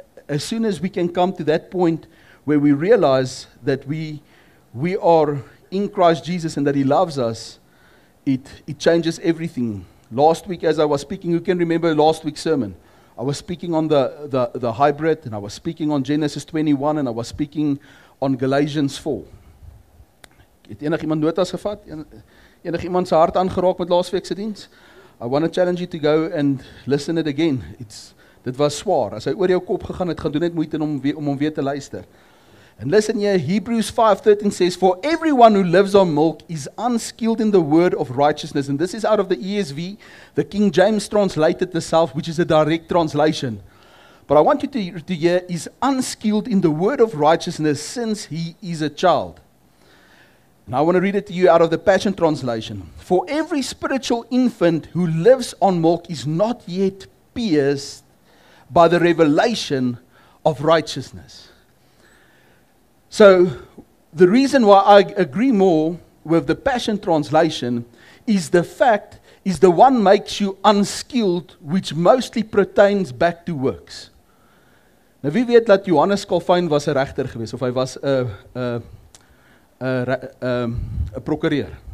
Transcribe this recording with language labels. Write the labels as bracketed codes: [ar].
[en] As soon as we can come to that point where we realize that we are in Christ Jesus and that he loves us, it changes everything. Last week, as I was speaking, who can remember last week's sermon? I was speaking on the hybrid, and I was speaking on Genesis 21, and I was speaking on Galatians 4. [af] Het enig iemand notas gevat? Enig iemand se hart aangeraak met laas week se diens? [en] I want to challenge you to go and listen it again. [af] Dit was swaar. As hy oor jou kop gegaan het, gaan doen net moeite om weer te luister. [en] And listen here, Hebrews 5:13 says, for everyone who lives on milk is unskilled in the word of righteousness. And this is out of the ESV, the King James translated itself, which is a direct translation. But I want you to hear, is unskilled in the word of righteousness since he is a child. Now I want to read it to you out of the Passion Translation. For every spiritual infant who lives on milk is not yet pierced by the revelation of righteousness. So the reason why I agree more with the Passion Translation is the fact is the one makes you unskilled, which mostly pertains back to works. [af] Nou wie weet dat Johannes Calvin was 'n regter geweest of hy was 'n prokureur.